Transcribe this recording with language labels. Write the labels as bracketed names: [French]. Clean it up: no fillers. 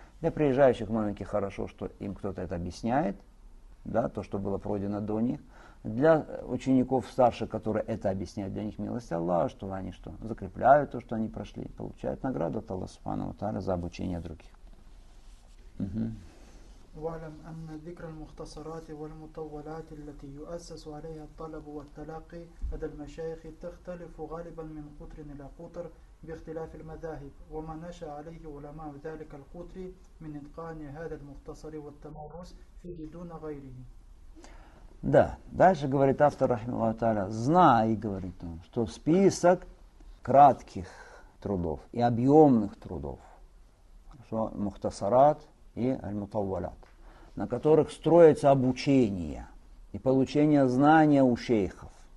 [Russian] Для приезжающих маленьких хорошо, что им кто-то это объясняет, да, то, что было пройдено до них. Для учеников старших, которые это объясняют, для них милость Аллаха, что они что, закрепляют то, что они прошли, получают награду от Аллаха Субхану Тара за обучение других. Угу. [Arabic] واعلم أن ذكر المختصرات والمطولات التي يؤسس عليها الطلب والتلاقي لدى المشايخ تختلف غالبا من قطر إلى قطر باختلاف المذاهب وما نشأ عليه علماء ذلك القطر من إتقان هذا المختصر والتمرس فيه دون غيره. [Russian] Да, дальше говорит автор [Arabic] رحمه الله تعالى. [Russian] Знай, говорит он, что список кратких трудов и объемных трудов, что мухтасарат и аль-мутаввалят, на которых строится обучение и получение знания у шейхов.